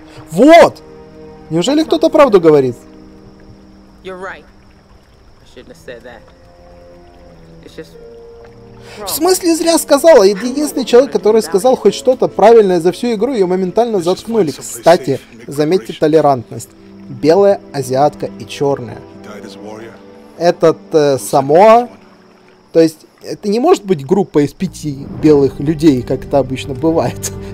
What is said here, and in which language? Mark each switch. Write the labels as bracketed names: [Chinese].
[Russian] Вот! Неужели кто-то правду говорит? [English] You're right. I shouldn't have said that. It's just... [Russian] В смысле зря сказала? Я единственный человек, который сказал хоть что-то правильное за всю игру, ее моментально заткнули. Кстати, заметьте толерантность. Белая, азиатка и черная. Этот Самоа... То есть, это не может быть группа из 5 белых людей, как это обычно бывает.